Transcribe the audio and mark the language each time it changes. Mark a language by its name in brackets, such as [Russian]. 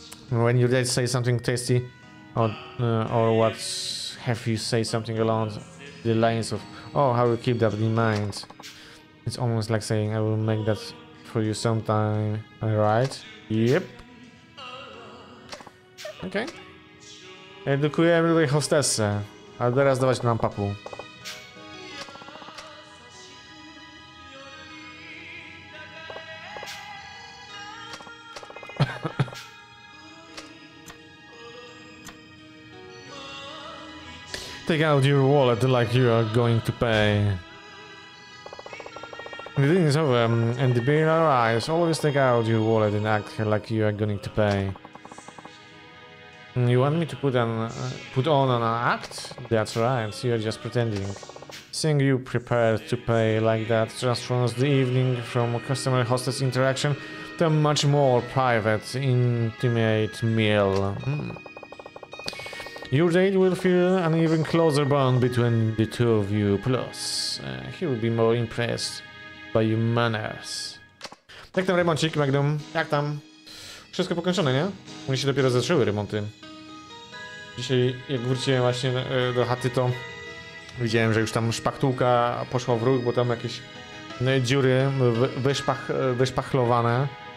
[English] When your date says something tasty, or have you said something along the lines of, oh, how you keep that in mind? It's almost like saying, I will make that for you sometime, right? Yep. Okay. [Polish] Edukujemy tutaj hostessę. A teraz dawać nam papu. [English] Take out your wallet like you are going to pay. The thing is over, and the beer arrives. Always take out your wallet and act like you are going to pay. You want me to put on an act? That's right, you're just pretending. Seeing you prepared to pay like that transforms the evening from a customer-hostess interaction to a much more private, intimate meal. Your date will feel an even closer bond between the two of you, plus he will be more impressed by your manners. [Polish] Jak tam remoncik, Magnum? Jak tam? Wszystko pokończone, nie? Oni się dopiero zaczęły remonty. Dzisiaj, jak wróciłem właśnie do chaty, to widziałem, że już tam szpachtułka poszła w ruch, bo tam jakieś dziury wyszpachlowane.